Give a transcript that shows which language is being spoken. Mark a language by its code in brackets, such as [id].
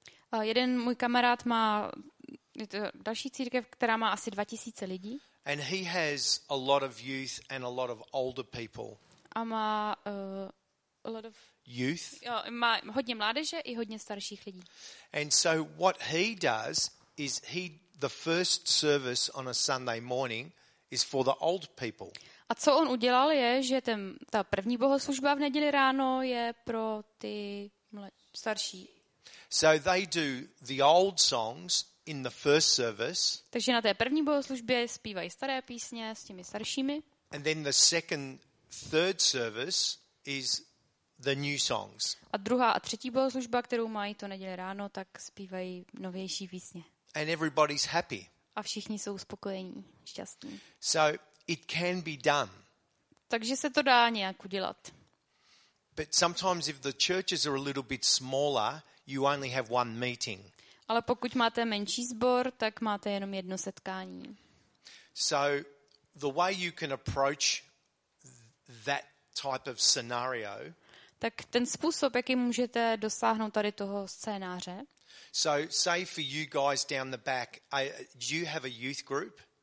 [cs] A jeden můj kamarád má je to další církev, která má asi 2000 lidí. [en] And he has a lot of youth and a lot of older people. [cs] A má [en] a lot of youth. [cs] Jo, má hodně mládeže i hodně starších lidí. [en] And so what he does is he the first service on a Sunday morning is for the old people. [cs] A co on udělal je, že ta první bohoslužba v neděli ráno je pro ty starší. [en] So they do the old songs in the first service. [cs] Takže na té první bohoslužbě zpívají staré písně s těmi staršími. [en] And then the second third service is the new songs. [cs] A druhá a třetí bohoslužba, kterou mají to neděli ráno, tak zpívají novější písně. [en] And everybody's happy. [cs] A všichni jsou spokojení, šťastní. [en] So it can be done. [cs] Takže se to dá nějak udělat. [en] But sometimes if the churches are a little bit smaller, you only have one meeting. [cs] Ale pokud máte menší sbor, tak máte jenom jedno setkání. [en] So the way you can approach that type of scenario. [cs] Tak ten způsob, jakým můžete dosáhnout tady toho scénáře. [en] So say for you guys down the back, do you have a youth group?